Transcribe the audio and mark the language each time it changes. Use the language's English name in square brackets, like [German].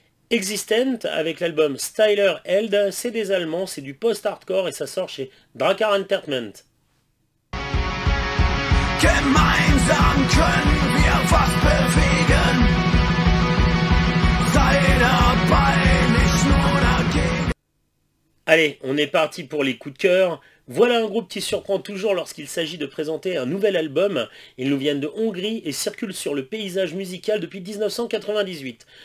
[French] Existent avec l'album Styler Held, c'est des Allemands, c'est du post-hardcore et ça sort chez Drakkar Entertainment. [German] Gemeinsam können wir was bewegen. Sei dabei, nicht nur dagegen. [French] Allez, on est parti pour les coups de cœur. Voilà un groupe qui surprend toujours lorsqu'il s'agit de présenter un nouvel album. Ils nous viennent de Hongrie et circulent sur le paysage musical depuis 1998.